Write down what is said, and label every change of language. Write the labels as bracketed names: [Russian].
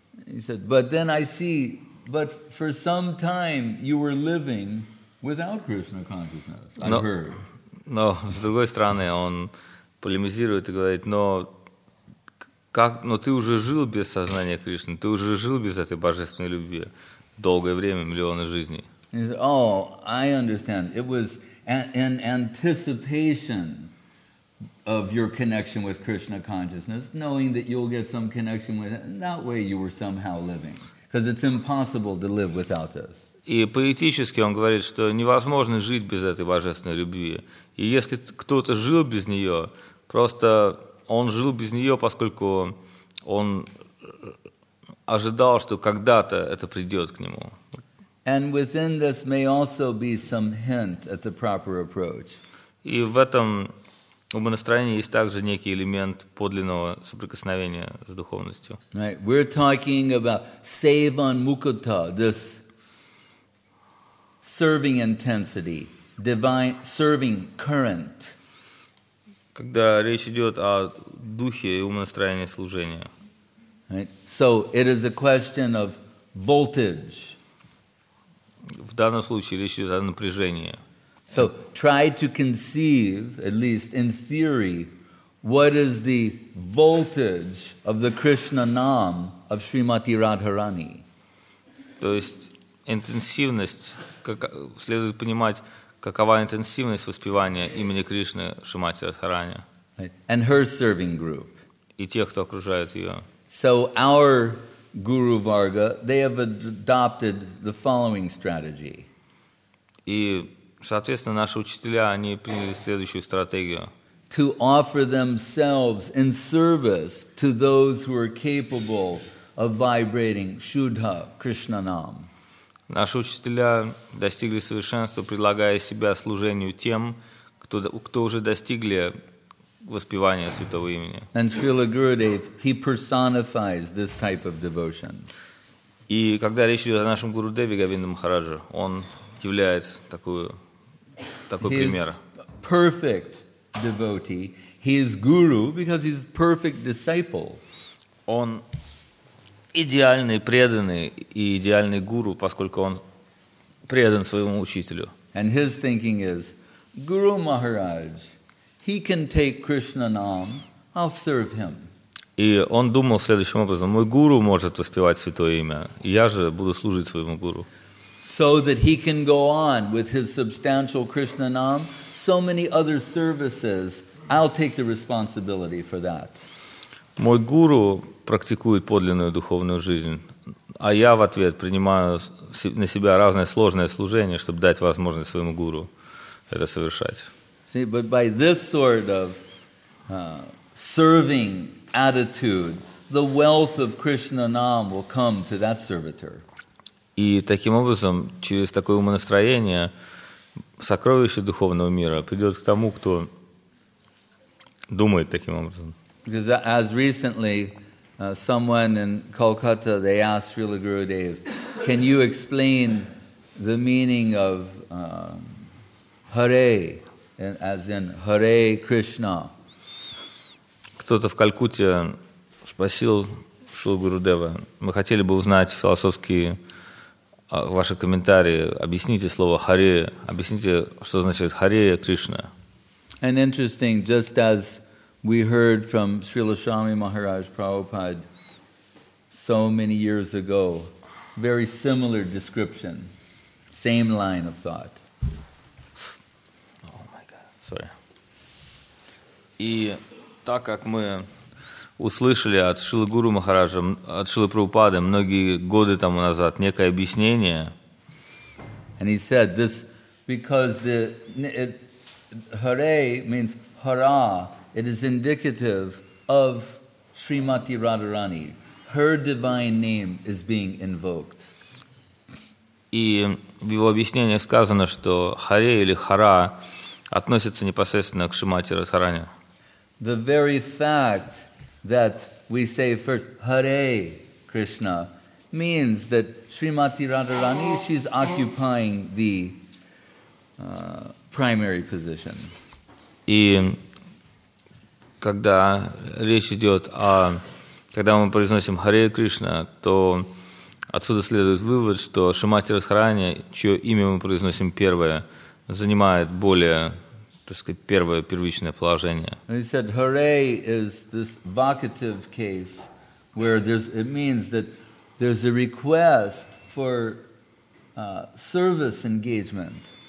[English] He said, but then I see, but for some time you were living without Krishna consciousness, I heard. [Russian] Но, с другой стороны, он полемизирует и говорит, но как, но ты уже жил без сознания Кришны, ты уже жил без этой божественной любви долгое время, миллионы жизней. [English] Oh, I understand. It was in anticipation of your connection with Krishna consciousness, knowing that you'll get some connection with it, and that way you were somehow living. Because it's impossible to live without this. [Russian] И поэтически он говорит, что невозможно жить без этой божественной любви. И если кто-то жил без нее, просто он жил без нее, поскольку он ожидал, что когда-то это придет к нему. [English] And within this may also be some hint at the proper approach. [Russian] И в этом умонастроении есть также некий элемент подлинного соприкосновения с духовностью. [English] Right. We're talking about sevan mukata, this serving intensity, divine serving current. [Russian] Когда речь идет о духе и умонастроении служения. [English] Right. So it is a question of voltage. [Russian] В данном случае речь идет о напряжении. [English] So try to conceive, at least in theory, what is the voltage of the Krishna Nam of Srimati Radharani. [Russian] То есть интенсивность, как следует понимать, какова интенсивность воспевания имени Кришны Шримати Радхарани. [English] And her serving group. [Russian] И тех, кто окружает ее. [English] So our Guru Varga, they have adopted the following strategy. [Russian] И, соответственно, наши учителя, они приняли следующую стратегию. [English] To offer themselves in service to those who are capable of vibrating Shuddha Krishna Nam. [Russian] Наши учителя достигли совершенства, предлагая себя служению тем, кто уже достигли воспевания святого имени. [English] And Srila Gurudev, he personifies this type of devotion. [Russian] И когда речь идет о нашем Гурудеве Говинда Махараджа, он являет такой пример. [English] He's perfect devotee. He is guru because he's perfect disciple. [Russian] Он идеальный преданный и идеальный гуру, поскольку он предан своему учителю. [English] And his thinking is, Guru Maharaj, he can take Krishna Nam, I'll serve him. [Russian] И он думал следующим образом: мой гуру может воспевать святое имя, я же буду служить своему гуру. [English] So that he can go on with his substantial Krishna Nam, so many other services, I'll take the responsibility for that. [Russian] Мой гуру практикует подлинную духовную жизнь, а я в ответ принимаю на себя разное сложное служение, чтобы дать возможность своему гуру это совершать. [English] See, but by this sort of serving attitude, the wealth of Krishna Nam will come to that servitor. [Russian] И таким образом, через такое умонастроение, сокровище духовного мира придет к тому, кто думает таким образом. [English] Because as recently, someone in Kolkata, they asked Srila Gurudev, can you explain the meaning of Hare, as in Hare Krishna? [Russian] Кто-то в Калькутте спросил Шрилу Гурудева, мы хотели бы узнать философские ваши комментарии, объясните слово Харе, объясните, что значит Харе Кришна. [English] And interesting, just as we heard from Srila Swami Maharaj Prabhupada so many years ago, very similar description, same line of thought. Oh my God, sorry. [Russian] И так как мы услышали от Шрилы Гуру Махараджа, от Шрилы Прабхупады многие годы тому назад некое объяснение. [English] And he said this because the Hare means Hara, it is indicative of Srimati Radharani. Her divine name is being invoked. [Russian] И в его объяснении сказано, что Харе или Хара относится непосредственно к Шримати Радхарани. [English] The very fact that we say first Hare Krishna means that Srimati Radharani, she's occupying the primary position. [Russian] И когда речь идет о, когда мы произносим Hare Krishna, то отсюда следует вывод, что Шримати Радхарани, чье имя мы произносим первое, занимает более так сказать, первое первичное положение. [English] And he said, "Hare" is this vocative case where there's it means that there's a request for service engagement.